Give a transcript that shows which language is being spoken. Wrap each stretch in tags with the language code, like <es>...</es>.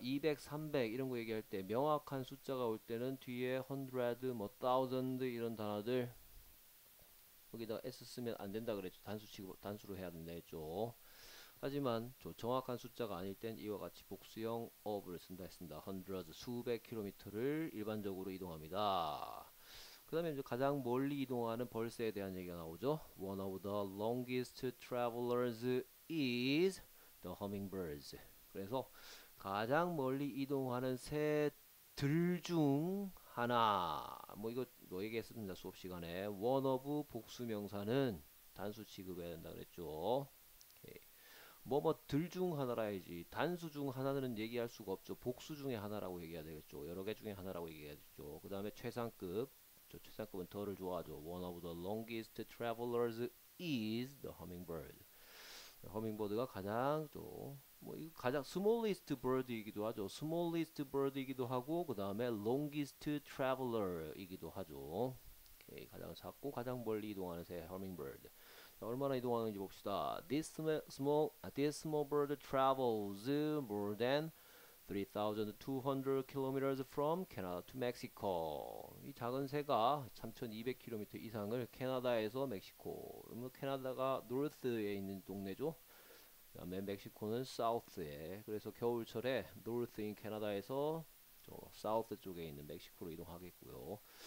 <ko>200, 300 이런 거 얘기할 때 명확한 숫자가 올 때는 뒤에 hundred, 뭐 thousand 이런 단어들 여기다 S 쓰면 안 된다 그랬죠. 단수로 해야 된다 했죠. 하지만 저 정확한 숫자가 아닐 땐 이와 같이 복수형 of를 쓴다 했습니다. Hundreds, 수백 킬로미터를 일반적으로 이동합니다. 그 다음에 이제 가장 멀리 이동하는 벌새에 대한 얘기가 나오죠.</ko> <en>One of the longest travelers is the hummingbirds.</en> <ko>그래서 가장 멀리 이동하는 새들 중 하나. 뭐 이거 뭐 얘기했습니다. 수업 시간에. One of 복수 명사는 단수 취급해야 된다 그랬죠. 뭐뭐 들중 하나라야지. 단수 중 하나는 얘기할 수가 없죠. 복수 중에 하나라고 얘기해야 되겠죠. 여러 개 중에 하나라고 얘기해야 되겠죠. 그 다음에 최상급. 저 최상급은 더를 좋아하죠.</ko> <en>One of the longest travelers is the hummingbird.</en> <ko>허밍버드가 가장 좀뭐 이거 가장 smallest bird이기도 하죠. smallest bird이기도 하고 그 다음에 longest traveler이기도 하죠. 오케이, 가장 작고 가장 멀리 이동하는 새 hummingbird. 얼마나 이동하는지 봅시다.</ko> <en>This small bird travels more than 3,200 km from Canada to Mexico.</en> <ko>이 작은 새가 3,200km 이상을 캐나다에서 멕시코. 캐나다가 노르스에 있는 동네죠. 그다음에 멕시코는 사우스에. 그래서 겨울철에 노르스인 캐나다에서 사우스 쪽에 있는 멕시코로 이동하겠고요.</ko>